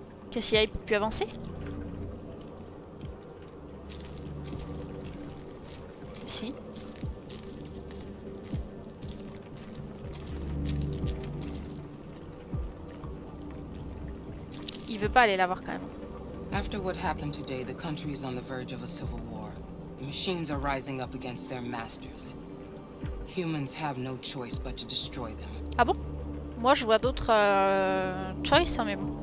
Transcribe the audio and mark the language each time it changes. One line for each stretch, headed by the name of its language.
French: Qu'est-ce qu'il y a? Il peut plus avancer? Il veut pas aller la voir quand même.
English: After what happened today, the country is on the verge of a civil war. The machines are rising up against their masters. Humans have no choice but to destroy them.
French: Ah bon? Moi, je vois d'autres choice, hein, mais bon.